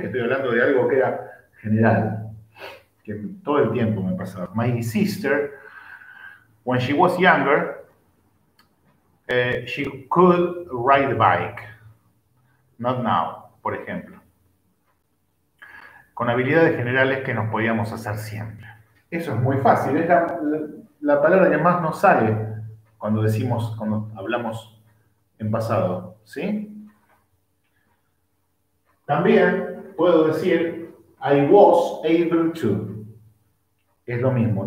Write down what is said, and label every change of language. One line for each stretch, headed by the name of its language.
Spanish: Estoy hablando de algo que era general, que todo el tiempo me pasaba.
English: My sister, when she was younger, she could ride a bike. Not now,
Spanish: por ejemplo. Con habilidades generales que nos podíamos hacer siempre. Eso es muy fácil. Es la palabra que más nos sale cuando decimos, cuando hablamos en pasado, ¿sí? También puedo decir,
English: I was able to.
Spanish: Es lo mismo.